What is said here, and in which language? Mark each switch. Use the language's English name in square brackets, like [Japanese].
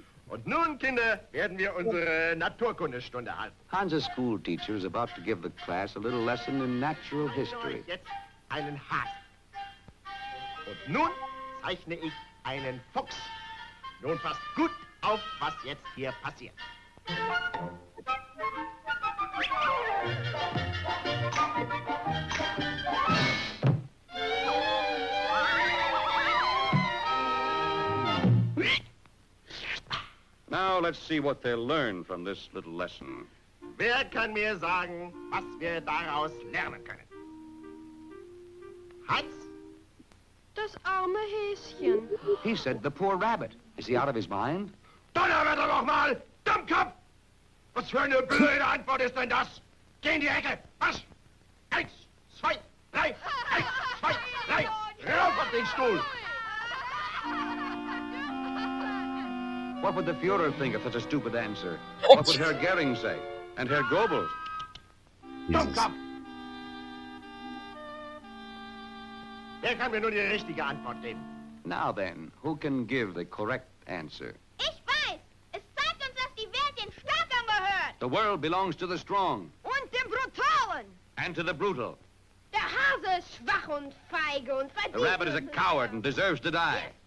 [German] Und nun, Kinder, werden wir unsere Naturkundestunde halten. [English] Hans's school teacher is about to give the class a little lesson in natural history. [German] Jetzt einen Hasen. Und nun zeichne ich einen Fuchs. Nun passt gut auf, was jetzt hier passiert. [English] Now let's see what they'll learn from this little lesson. [German] Wer kann mir sagen, was wir daraus lernen können? Hans? Das arme Häschen. [English] He said the poor rabbit. Is he out of his mind? [German] Donnerwetter nochmal! Dummkopf! Was für eine blöde Antwort ist denn das? Geh in die Ecke! Was? Eins, zwei, drei! Eins, zwei, drei! Rauf auf den Stuhl! [English] What would the Führer think of such a stupid answer? What would Herr Goering say? And Herr Goebbels? [German] Dummkopf! Wer kann mir nur die richtige Antwort geben? [English] Now then, who can give the correct answer? [German] Ich weiß! Es zeigt uns, dass die Welt den Starken gehört! [English] The world belongs to the strong. [German] Und dem Brutalen! [English] And to the brutal. [German] Der Hase ist schwach und feige und verdient. [English] The rabbit is a coward and deserves to die.